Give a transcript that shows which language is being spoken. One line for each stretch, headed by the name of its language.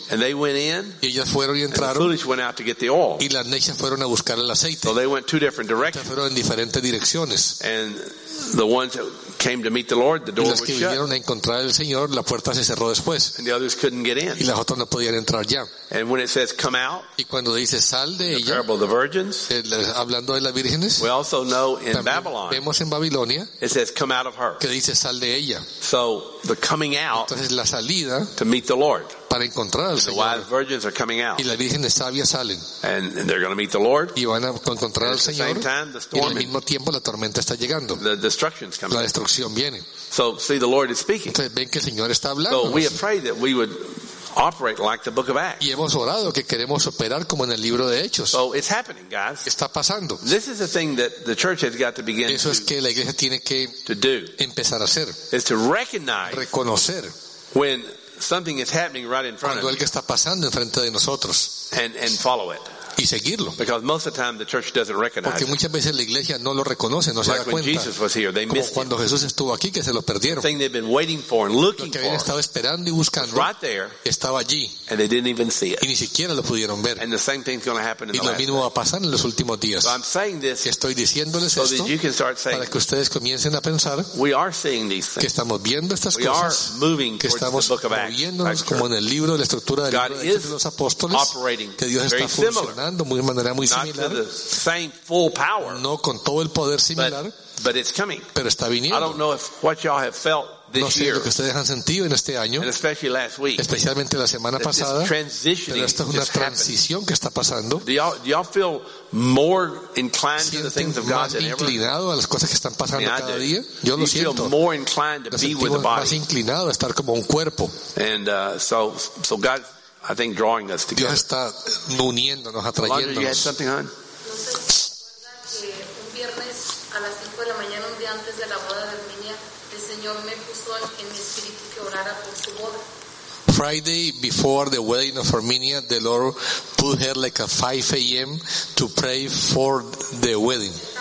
Spanish: Y ellas fueron y entraron, y las necias fueron a buscar el aceite. Fueron en diferentes direcciones.
English: And the ones that came to meet the Lord, the door
Spanish: y las que vinieron a encontrar al Señor, la puerta se cerró después.
English: And the others couldn't get in.
Spanish: Y las otras no podían entrar ya.
English: And when it says, come out,
Spanish: y cuando dice sal de ella,
English: the parable of the virgins,
Spanish: hablando de las vírgenes,
English: we also know in Babylon,
Spanish: vemos en Babilonia,
English: it says, come out of her.
Spanish: Que dice sal de ella.
English: So the coming out,
Spanish: entonces la salida,
English: to meet the Lord,
Spanish: para encontrar al Señor.
English: The wise virgins are coming out.
Spanish: Y las vírgenes sabias salen.
English: And they're going to meet the Lord.
Spanish: Y van a encontrar al Señor.
English: At the same time, the storm
Spanish: y al mismo tiempo la tormenta está llegando.
English: The destruction's coming.
Spanish: La destrucción viene.
English: So, see, the Lord is speaking.
Spanish: Entonces ven que el Señor está hablando.
English: So we have prayed that we would operate like the book of Acts.
Spanish: Y hemos orado que queremos operar como en el libro de Hechos.
English: So it's happening, guys.
Spanish: Está pasando.
English: This is the thing that the church has got to begin.
Spanish: Eso es que la iglesia tiene que empezar a hacer.
English: Is to recognize,
Spanish: reconocer
English: when something is happening right in front of you.
Spanish: Algo que está pasando enfrente de nosotros.
English: And follow it.
Spanish: Y seguirlo.
English: Because most of the time the church doesn't recognize.
Spanish: Porque muchas veces la iglesia no lo reconoce, no se da cuenta.
English: Like when Jesus was here, they missed
Spanish: it. Como cuando Jesús estuvo aquí, que se lo perdieron.
English: The thing they've been waiting for and looking for.
Spanish: Lo que habían estado esperando y buscando.
English: Right there.
Spanish: Estaba allí.
English: And they didn't even see it.
Spanish: Y ni siquiera lo pudieron ver.
English: And the same thing's going to happen in the last
Spanish: days. Y lo mismo va a pasar en los últimos días.
English: So I'm saying this.
Spanish: Estoy diciéndoles esto.
English: So that you can start saying.
Spanish: Para que ustedes comiencen a pensar.
English: We are seeing these things.
Spanish: Que estamos viendo estas cosas.
English: We are moving towards the book of Acts.
Spanish: Que estamos moviéndonos como en el libro de la estructura del libro de los apóstoles. Que Dios está funcionando. De manera muy similar,
English: same full power,
Spanish: no con todo el poder similar,
English: but it's coming.
Spanish: Pero está viniendo.
English: I don't know if what y'all have felt this
Spanish: no sé
English: year,
Spanish: lo que ustedes han sentido en este año,
English: and especially last week,
Spanish: especialmente la semana pasada, pero esto es una transición
English: happened.
Spanish: Que está pasando.
English: Do y'all feel more inclined to the things of God than ever?
Spanish: Inclinado a las cosas que están pasando cada día. Yo
English: you
Spanish: lo siento.
English: Feel more inclined to be with the body.
Spanish: Más inclinado a estar como un cuerpo.
English: And so God, I think drawing us together.
Spanish: Dios está uniéndonos, atrayéndonos.
English: Roger, you had something on?
Spanish: No sé, un viernes a las 5 de la mañana, un día antes de la boda de Herminia, el Señor me puso en mi espíritu que orara por su boda.
English: Friday before the wedding of Herminia, the Lord put her like at 5 a.m. to pray for the wedding.